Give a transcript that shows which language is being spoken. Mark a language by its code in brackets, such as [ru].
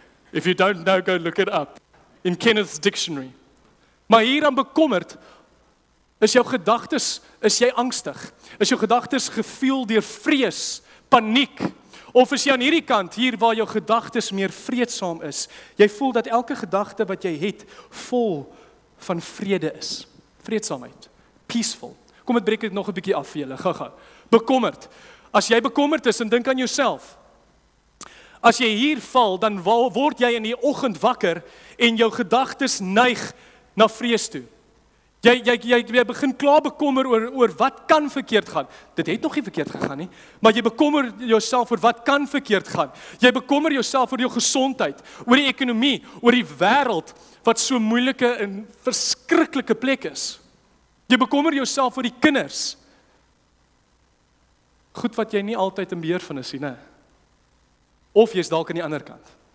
[en] If you don't know, go look it up in Kenneth's dictionary. [af] Maar hier aan bekommerd, is jy angstig? Is jou gedagtes gevoel deur vrees, paniek? Of is jy aan hierdie kant, hier waar jou gedagtes meer vreedsaam is? Jy voel dat elke gedagte wat jy het, vol van vrede is. Vreedsaamheid. Peaceful. Kom, ek breek dit nog 'n bietjie af vir julle. Gaga. Bekommerd. As jy bekommerd is, en dink aan jouself. As jy hier val, dan word jy in die oggend wakker en jou gedagtes neig na vrees toe. Jy begin klaar bekommer oor wat kan verkeerd gaan. Dit het nog nie verkeerd gegaan nie, maar jy bekommer jouself oor wat kan verkeerd gaan. Jy bekommer jouself oor jou gesondheid, oor die ekonomie, oor die wêreld wat so moeilike en verskriklike plek is. Jy bekommer jouself oor die kinders. Goed wat jy nie altyd in beheer van is nie. Of jy's dalk aan die ander kant.